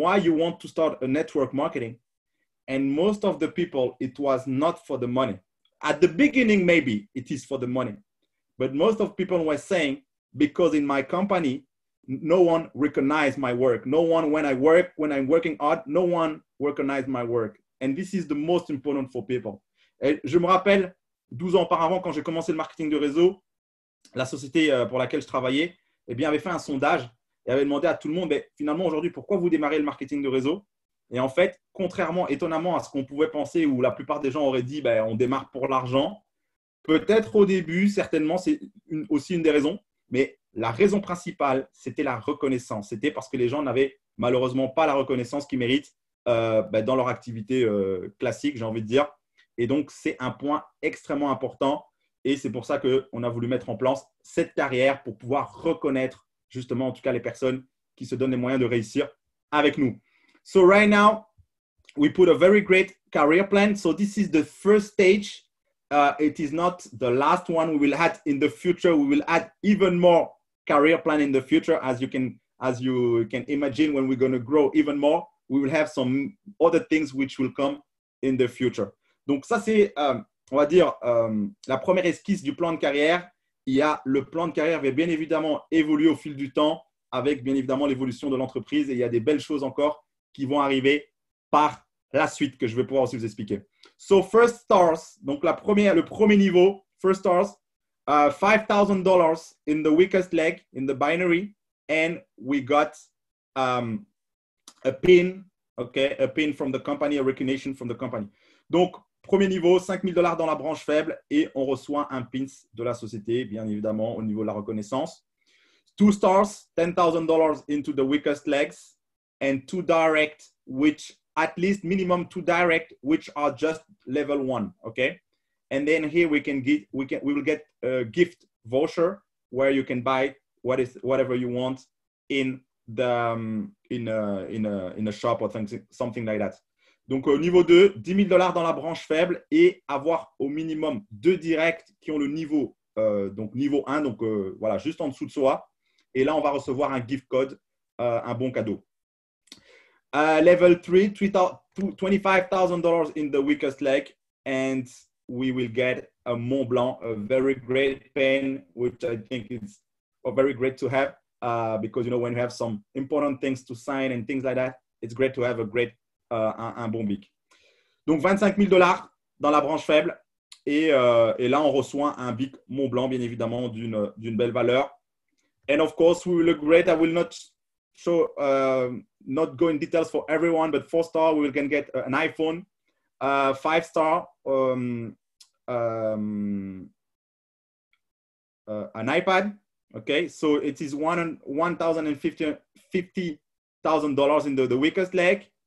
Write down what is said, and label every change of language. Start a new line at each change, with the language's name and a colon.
English: Why you want to start a network marketing? And most of the people, it was not for the money. At the beginning, maybe it is for the money. But most of people were saying, because in my company, no one recognized my work. No one, when I'm working hard, no one recognized my work. And this is the most important for people.
French: Et je me rappelle, 12 ans auparavant, quand j'ai commencé le marketing de réseau, la société pour laquelle je travaillais eh bien, avait fait un sondage et avait demandé à tout le monde, mais finalement aujourd'hui, pourquoi vous démarrez le marketing de réseau? Et en fait, contrairement, étonnamment à ce qu'on pouvait penser où la plupart des gens auraient dit, ben, on démarre pour l'argent, peut-être au début, certainement, c'est aussi une des raisons. Mais la raison principale, c'était la reconnaissance. C'était parce que les gens n'avaient malheureusement pas la reconnaissance qu'ils méritent dans leur activité classique, j'ai envie de dire. Et donc, c'est un point extrêmement important. Et c'est pour ça qu'on a voulu mettre en place cette carrière pour pouvoir reconnaître justement, en tout cas, les personnes qui se donnent les moyens de réussir avec nous.
English: So right now, we put a very great career plan. So this is the first stage. It is not the last one. We will add in the future. We will add even more career plan in the future. As you can imagine, when we're going to grow even more, we will have some other things which will come in the future.
French: Donc ça c'est, on va dire, la première esquisse du plan de carrière. Il y a le plan de carrière qui va bien évidemment évoluer au fil du temps avec bien évidemment l'évolution de l'entreprise. Et il y a des belles choses encore qui vont arriver par la suite que je vais pouvoir aussi vous expliquer.
English: So first stars,
French: donc le premier niveau,
English: first stars, $5,000 in the weakest leg, in the binary, and we got a pin, okay, a pin from the company, a recognition from the company.
French: Donc, premier niveau, $5,000 dans la branche faible et on reçoit un pins de la société, bien évidemment, au niveau de la reconnaissance.
English: Two stars, $10,000 into the weakest legs and two direct, which at least minimum two direct, which are just level one, okay? And then here we will get a gift voucher where you can buy whatever you want in a shop or something like that.
French: Donc, au niveau 2, $10,000 dans la branche faible et avoir au minimum deux directs qui ont le niveau, donc niveau 1, donc voilà, juste en dessous de soi. Et là, on va recevoir un
English: gift code,
French: un bon cadeau.
English: Level 3, $25,000 in the weakest leg and we will get a Mont Blanc, a very great pen, which I think is very great to have. Because, you know, when you have some important things to sign and things like that, it's great to have a great,
French: un bon BIC. Donc, $25,000 dans la branche faible. Et là, on reçoit un BIC Mont Blanc, bien évidemment, d'une belle valeur.
English: And of course, we look great. I will not show, not go in details for everyone, but 4-star, we can get an iPhone. 5-star, an iPad. Okay, so it is $1,050,000 in the weakest leg.